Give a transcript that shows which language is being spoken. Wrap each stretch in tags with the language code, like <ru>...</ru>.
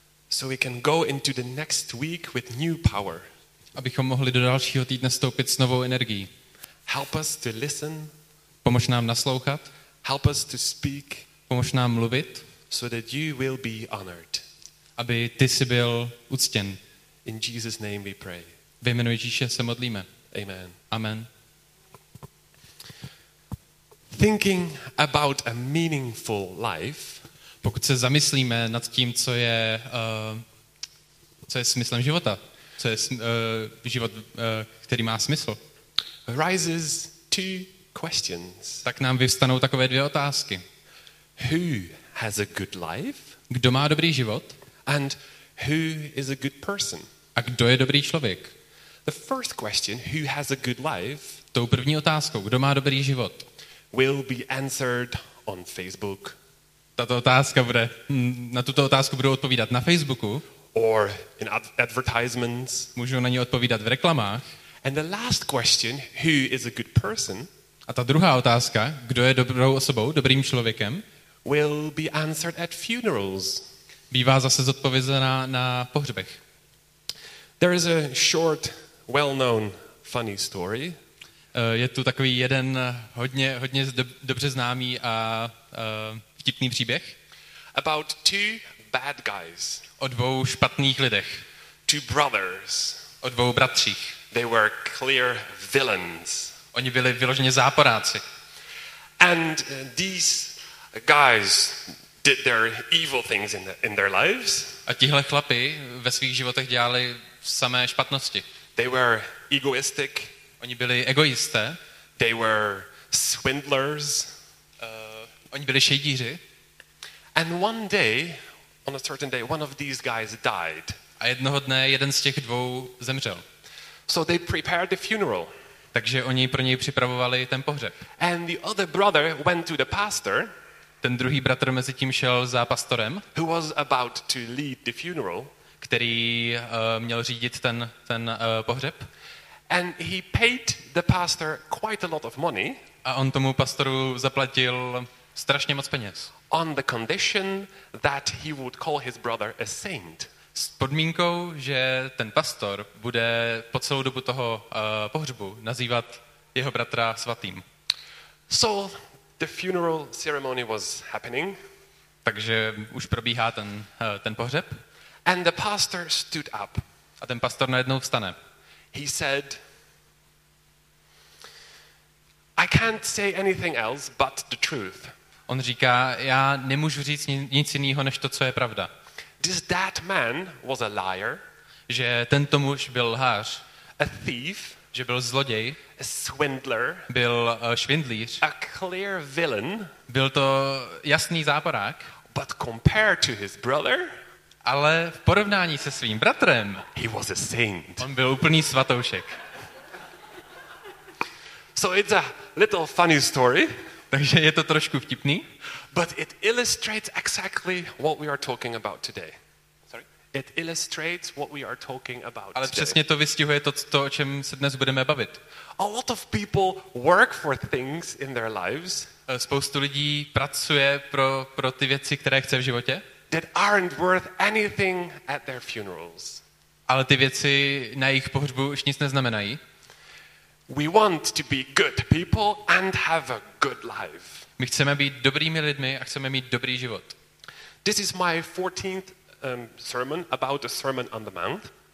<en>So we can go into the next week with new power.</en> <cs>Abychom mohli do dalšího týdne stoupit s novou energií.</cs> <en>Help us to listen.</en> <cs>Pomož nám naslouchat.</cs> <en>Help us to speak.</en> <cs>Pomož nám mluvit.</cs> <en>So that you will be honored.</en> <cs>Aby ty jsi byl uctěn.</cs> <en>In Jesus' name we pray.</en> <cs>Ve jménu Ježíše se modlíme.</cs> <en>Amen.</en> <cs>Amen.</cs> <en>Thinking about a meaningful life.</en> <cs>Pokud se zamyslíme nad tím, co je smyslem života, co je život, který má smysl.</cs> <en>Arises two questions.</en> <cs>Tak nám vyvstanou takové dvě otázky.</cs> <en>Who has a good life?</en> <cs>Kdo má dobrý život?</cs> <en>And who is a good person?</en> <cs>A kdo je dobrý člověk?</cs> <en>The first question, who has a good life?</en> <cs>Tou první otázkou, kdo má dobrý život?</cs> <en>Will be answered on Facebook.</en> <cs>Tato otázka bude, na tuto otázku budou odpovídat na Facebooku.</cs> <en>Or in advertisements.</en> <cs>Můžou na ně odpovídat v reklamách.</cs> <en>And the last question, who is a good person?</en> <cs>A ta druhá otázka, kdo je dobrou osobou, dobrým člověkem?</cs> <en>Will be answered at funerals.</en> <cs>Bývá zase zodpovězená na pohřbech.</cs> <en>There is a short, well-known, funny story.</en> <cs>Je tu takový jeden hodně dobře známý a vtipný příběh.</cs> <en>About two bad guys.</en> <cs>O dvou špatných lidech.</cs> <en>Two brothers.</en> <cs>O dvou bratřích.</cs> <en>They were clear villains.</en> <cs>Oni byli vyloženě záporáci.</cs> <en>And these guys did their evil things in their lives.</en> <cs>A tihle chlapi ve svých životech dělali samé špatnosti.</cs> <en>They were egoistic.</en> <cs>Oni byli egoisté.</cs> <en>They were swindlers.</en> <cs>Oni byli šejdíři.</cs> <en>And one day, on a certain day, one of these guys died.</en> <cs>A jednoho dne jeden z těch dvou zemřel.</cs> <en>So they prepared the funeral.</en> <cs>Takže oni pro něj připravovali ten pohřeb.</cs> <en>And the other brother went to the pastor.</en> <cs>Ten druhý bratr mezi tím šel za pastorem.</cs> <en>Who was about to lead the funeral.</en> <cs>Který měl řídit ten pohřeb.</cs> <en>And he paid the pastor quite a lot of money.</en> <cs>A on tomu pastoru zaplatil strašně moc peněz.</cs> <en>On the condition that he would call his brother a saint.</en> <cs>S podmínkou, že ten pastor bude po celou dobu toho pohřbu nazývat jeho bratra svatým.</cs> <en>So the funeral ceremony was happening.</en> <cs>Takže už probíhá ten pohřeb.</cs> <en>And the pastor stood up.</en> <cs>A ten pastor najednou vstane.</cs> <en>He said, I can't say anything else but the truth.</en> <cs>On říká, já nemůžu říct nic jiného než to, co je pravda.</cs> <en>This that man was a liar.</en> <cs>Že tento muž byl lhář.</cs> <en>A thief.</en> <cs>Že byl zloděj.</cs> <en>A swindler.</en> <cs>Byl švindlíř.</cs> <en>A clear villain.</en> <cs>Byl to jasný záporák.</cs> <en>But compared to his brother.</en> <cs>Ale v porovnání se svým bratrem,</cs> <en>he was a saint.</en> <cs>On byl úplný svatoušek.</cs> <en>So it's a little funny story.</en> <cs>Takže je to trošku vtipný.</cs> <en>But it illustrates exactly what we are talking about today. Sorry. It illustrates what we are talking about.</en> <cs>Ale přesně to vystihuje to, o čem se dnes budeme bavit.</cs> <en>A lot of people work for things in their lives.</en> <cs>Spoustu lidí pracuje pro ty věci, které chce v životě.</cs> <en>That aren't worth anything at their funerals.</en> <cs>Ale ty věci na jejich pohřbu už nic neznamenají.</cs> <en>We want to be good people and have a good life.</en> <cs>My chceme být dobrými lidmi a chceme mít dobrý život.</cs> <en>This is my 14th sermon about the Sermon on the Mount.</en>